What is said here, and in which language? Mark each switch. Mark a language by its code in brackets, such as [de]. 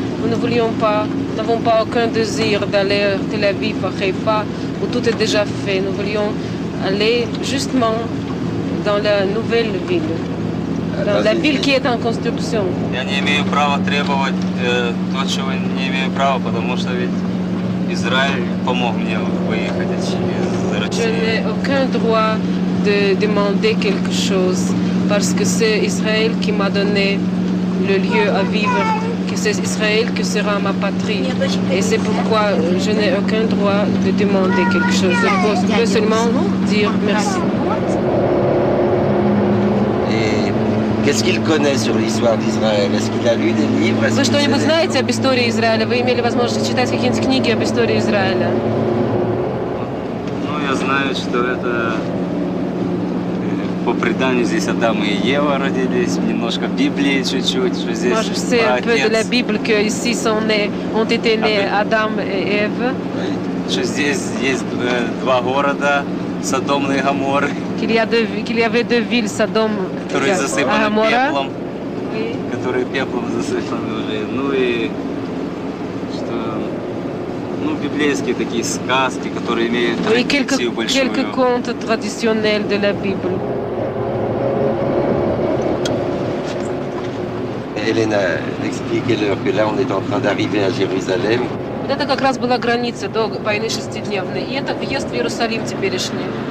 [fr] Nous ne voulions pas, nous n'avons pas aucun désir d'aller à Tel-Aviv, à Haïfa, où tout est déjà fait. Nous voulions aller justement dans la nouvelle ville. Dans la ville qui est en construction. [ru] Я не имею права требовать то, чего не имею права, потому что Израиль помог мне выехать из России. [fr] Je n'ai aucun droit de demander quelque chose parce que c'est Israël qui m'a donné le lieu à vivre, que c'est Israël qui sera ma patrie. Et c'est pourquoi je n'ai aucun droit de demander quelque chose. Je peux seulement dire merci. Qu'est-ce qu'il connaît sur l'histoire d'Israël? Est-ce qu'il a lu des livres? [ru] Вы что-нибудь знаете об истории Израиля? Вы имели возможность читать какие-нибудь книги об истории Израиля? Ну, я знаю, что это по преданию здесь Адам и Ева родились, немножко Библии чуть-чуть, что здесь отец. Может, [fr] c'est un peu de la Bible que ici sont nés, ont été nés Адам и Ева? [ru] Что здесь есть два города, Содом и Гоморра. [fr] Qu'il y avait deux villes, Sodome et Gomorrah, [ru] которые засыпаны пеплом, которые пеплом засыпаны уже. Ну и что, ну библейские такие сказки, которые имеют традицию большую. [fr] И quelques contes traditionnels de la Bible. Elena, expliquez-leur que là on est en train d'arriver à Jérusalem. [ru] Вот это как раз была граница до войны шестидневной, и это въезд в Иерусалим теперешний.